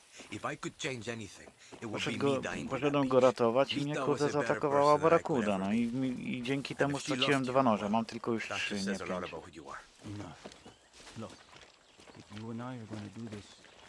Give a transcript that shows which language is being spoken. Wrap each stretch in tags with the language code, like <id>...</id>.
<en>If I could change anything, it would be me dying.</en> <pl>Poszedłem go ratować i mnie kurde zaatakowała barakuda. No i dzięki temu straciłem dwa noże. Mam tylko już trzy, nie pięć.</pl> <en>Look, if you and I are gonna do this.</en>